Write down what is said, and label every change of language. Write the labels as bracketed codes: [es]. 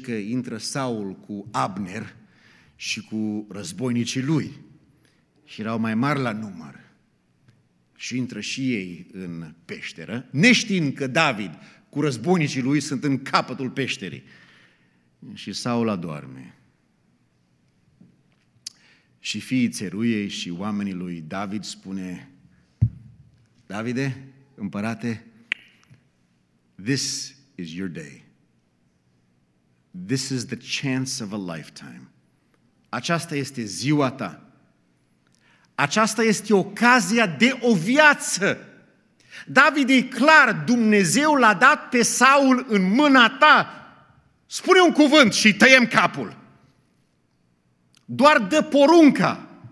[ro] Că intră Saul cu Abner și cu războinicii lui și erau mai mari la număr și intră și ei în peșteră, neștiind că David cu războinicii lui sunt în capătul peșterii. Și Saul adorme. Și fiii țeruiei și oamenii lui David spune... Davide, împărate, [en] this is your day. This is the chance of a lifetime. [ro] Aceasta este ziua ta. Aceasta este ocazia de o viață. Davide, e clar, Dumnezeu l-a dat pe Saul în mâna ta. Spune un cuvânt și tăiem capul. Doar dă porunca.